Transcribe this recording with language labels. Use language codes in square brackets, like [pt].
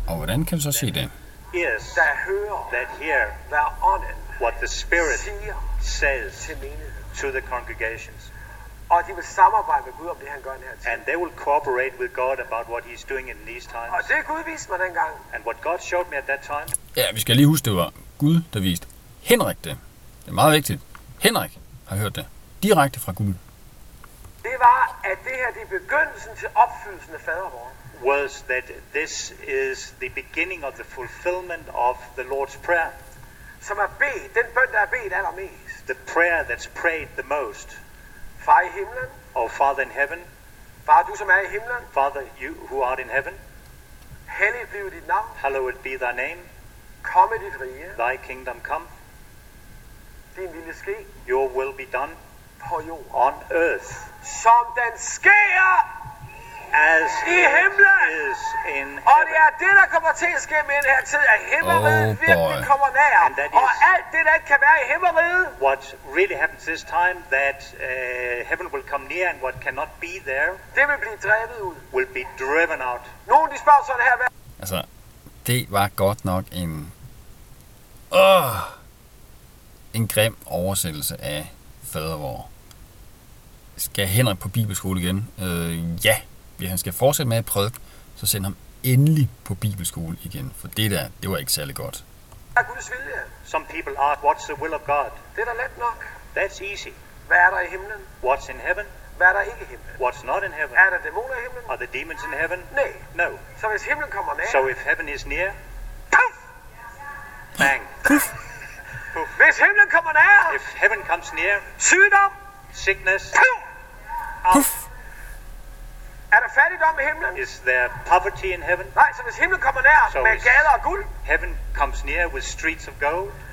[da] Og hvordan kan vi så se det? [en] Yes. [da] Der hører. [en] That hear. [da] Der ånden. [en] What the Spirit [da] siger [en] says. [da] Til menigheden. [en] To the congregations. [da] Og de vil samarbejde med Gud om det han gør i den her tid. [en] And they will cooperate with God about what he's doing in these times. [da] Og det Gud viste mig dengang. [en] And what God showed me at that time. [da] Ja, vi skal lige huske det var Gud der viste Henrik det. Det er meget vigtigt. Henrik har hørt det direkte fra Gud. Det var at det her det er begyndelsen til opfyldelsen af fadervor. [en] Was that this is the beginning of the fulfillment of the Lord's prayer. [da] Som er bedt, den bøn der er bedt allermest. [en] The prayer that's prayed the most. [da] Far i himlen. [en] Oh, Father in heaven. [da] Far, du som er i himlen. [en] Father, you who art in heaven. [da] Helliget blive dit navn. [en] Hallowed be thy name. [da] Komme dit rige. [en] Thy kingdom come. [da] Din vilje ske. [en] Your will be done. [da] På jord. [en] On earth. [da] Som den sker. [en] as [da] i himlen. [en] Is in [da] og det er det, der kommer til at ske med den her tid, at himmeriet virkelig kommer nær. Og alt det, der ikke kan være i himmeriet, [en] what really happens this time, that heaven will come near, and what cannot be there, [da] det vil blive drevet ud. [en] Will be driven out. [da] Nogen, de spørger sådan her. Altså, det var godt nok en en grim oversættelse af fadervor. Skal Henrik på bibelskole igen? Ja, hvis han skal fortsætte med at prædike, så send ham endelig på bibelskole igen, for det der, det var ikke særlig godt. Hvad er Guds vilje? [en] Some people ask, what's the will of God? [da] Det er da let nok. [en] That's easy. [da] Hvad er der i himlen? [en] What's in heaven? [da] Hvad er der ikke i himlen? [en] What's not in heaven? [da] Er der dæmoner i himlen? [en] Are the demons in heaven? [da] Nej. [en] No. [da] Så hvis himlen kommer nær. [en] So if heaven is near. Puff! Bang. [da] Puff. Hvis himlen kommer nær. [en] If heaven comes near. [da] Sygdom. [en] Sickness. Puff! Puff. [da] Er der fattigdom i himlen? [en] Is there poverty in heaven? [da] Nej, så hvis himlen kommer nær [en] so [da] med gader og guld. [en] Heaven comes near with streets of gold.